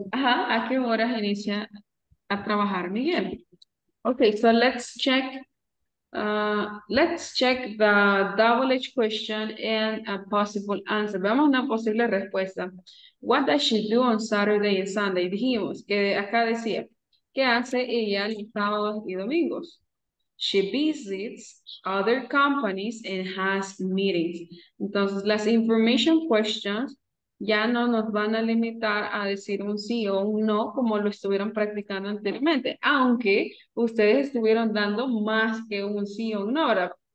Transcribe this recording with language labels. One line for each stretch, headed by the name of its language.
Spanish: Ajá, ¿a qué horas inicia a trabajar Miguel?
English: Okay, so let's check. Let's check the double H question and a possible answer.
Spanish: Veamos una posible respuesta.
English: What does she do on Saturday and Sunday?
Spanish: Dijimos que acá decía, ¿qué hace ella los sábados y domingos?
English: She visits other companies and has meetings.
Spanish: Entonces, las information questions ya no nos van a limitar a decir un sí o un no como lo estuvieron practicando anteriormente, aunque ustedes estuvieron dando más que un sí o un no ahora.